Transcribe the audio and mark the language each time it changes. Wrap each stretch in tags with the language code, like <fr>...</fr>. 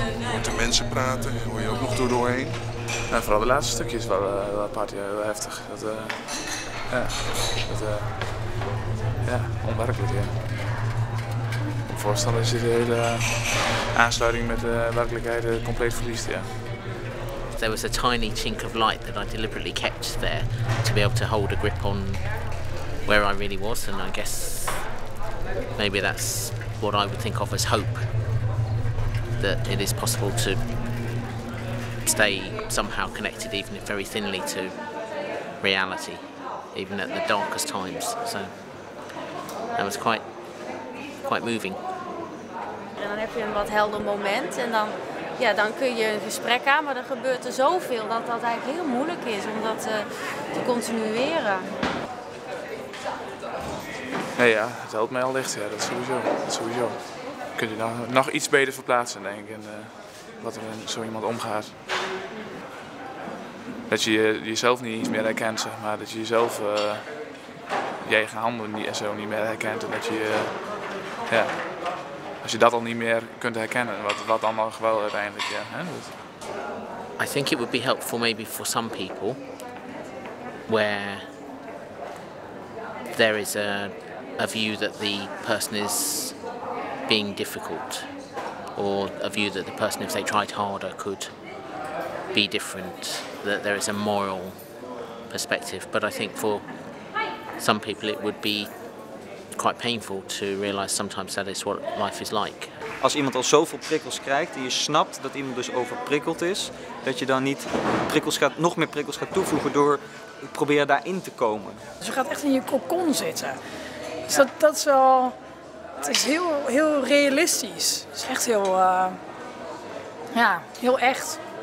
<nl>Je hoort de mensen praten, hoor je ook nog doorheen. Ja, vooral de laatste stukjes waren wel apart, heel heftig. Dat, ja, onwerkelijk, ja. Op voorstel is de hele aansluiting met de werkelijkheid compleet verliest, ja.</nl> <en>There was a tiny chink of light that I deliberately kept there to be able to hold a grip on where I really was, and I guess maybe that's what I would think of as hope. That it is possible to stay somehow connected, even if very thinly, to reality, even at the darkest times. So that was quite moving.</en> <nl>En dan heb je een wat helder moment en dan, ja, dan kun je een gesprek aan, maar er gebeurt er zoveel dat dat eigenlijk heel moeilijk is om dat te continueren. Nee, ja, het helpt mij al licht, ja, dat sowieso. Dat sowieso. Kun je nog iets beter verplaatsen, denk ik, en wat er met zo iemand omgaat. Dat je jezelf niet eens meer herkent, zeg maar. Dat je jezelf, je eigen handen niet, en zo niet meer herkent. En dat je, ja, als je dat al niet meer kunt herkennen, wat dan nog wel uiteindelijk, ja. Hè?</nl> <en>I think it would be helpful maybe for some people, where there is a view that the person is being difficult, or a view that the person, if they tried harder, could be different, that there is a moral perspective. But I think for some people it would be quite painful to realize sometimes that is what life is like.</en> <nl>Als iemand al zoveel prikkels krijgt en je snapt dat iemand dus overprikkeld is, dat je dan niet nog meer prikkels gaat toevoegen door proberen daarin te komen. Dus je gaat echt in je cocon zitten. Dus dat is wel. Het is heel, heel realistisch. Het is echt heel, ja, heel echt.</nl>